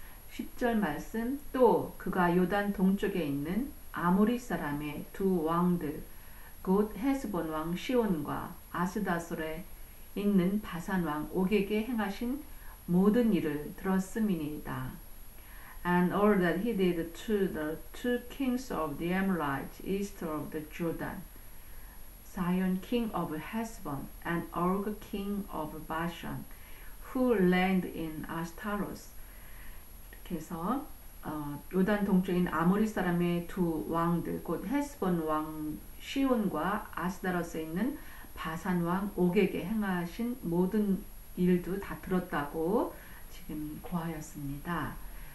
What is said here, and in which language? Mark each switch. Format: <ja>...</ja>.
<ko>10절 말씀 또 그가 요단 동쪽에 있는 아모리 사람의 두 왕들 곧 헤스본 왕 시온과 아스다솔에 있는 바산 왕 옥에게 행하신 모든 일을 들었음이니이다.</ko> <en>And all that he did to the two kings of the Amorites east of the Jordan, Sihon king of Hesbon and Og king of Bashan, who land in Ashtaroth.</en> <ko>이렇게 해서 요단 동쪽인 아모리 사람의 두 왕들, 곧 헤스본 왕 시온과 아스다로스에 있는 바산 왕 옥에게 행하신 모든 일도 다 들었다고 지금 고하였습니다.</ko>